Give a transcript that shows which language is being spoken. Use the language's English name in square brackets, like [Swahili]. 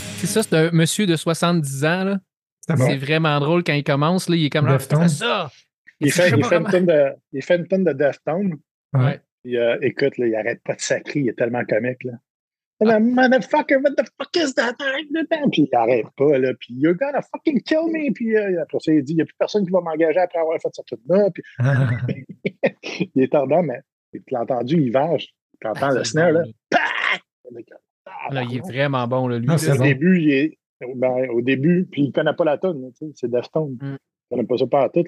[French] Ça, c'est un monsieur de 70 ans. Là. C'est bon. Vraiment drôle quand il commence. Là, il est comme là, Deftone. C'est ça! Il fait une tonne de Deftone. Ouais. Écoute, là, il arrête pas de sacrer. Il est tellement comique. Là. [English] Motherfucker, what the fuck is that? [French] Arrête de temps. Puis il n'arrête pas, là. [English] Puis you're gonna fucking kill me. [French] Puis après ça, il dit, il n'y a plus personne qui va m'engager après avoir fait ça tout là. Puis il est tordant, mais tu l'as entendu, il vache. Tu entends le snare, là. Ah, là, il est vraiment bon, là, lui. Non, c'est au début, il est. Ben, au début, puis il ne connaît pas la tonne, tu sais, c'est Deftone. Mm. Il n'aime pas ça pas en tout.